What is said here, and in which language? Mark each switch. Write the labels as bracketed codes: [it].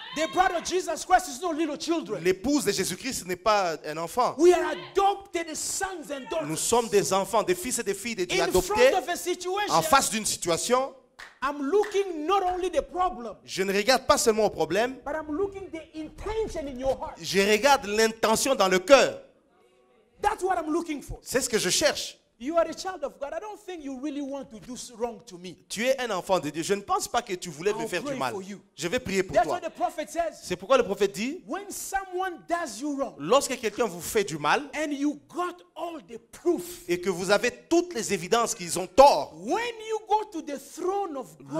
[en] The brother Jesus Christ is no little children. [fr] L'épouse de Jésus-Christ n'est pas un enfant. [en] We are adopted sons and daughters. [fr] Nous sommes des enfants, des fils et des filles de Dieu adoptés. [en] In front of a situation. [fr] En face d'une situation. [en] I'm looking not only the problem, [fr] je ne regarde pas seulement au problème, [en] but I'm looking the intention in your heart. [fr] Je regarde l'intention dans le cœur. [en] That's what I'm looking for. [fr] C'est ce que je cherche. [en] You are a child of God. I don't think you really want to do wrong to me. [fr] Tu es un enfant de Dieu. Je ne pense pas que tu voulais [en] I'll [fr] me faire du mal. [en] For you. [fr] Je vais prier pour [en] That's [fr] toi. [en] What the prophet says. [fr] C'est pourquoi le prophète dit, [en] when someone does you wrong, [fr] lorsque quelqu'un vous fait du mal, [en] and you got all the proof, [fr] et que vous avez toutes les évidences qu'ils ont tort, [en] when you go to the throne of God,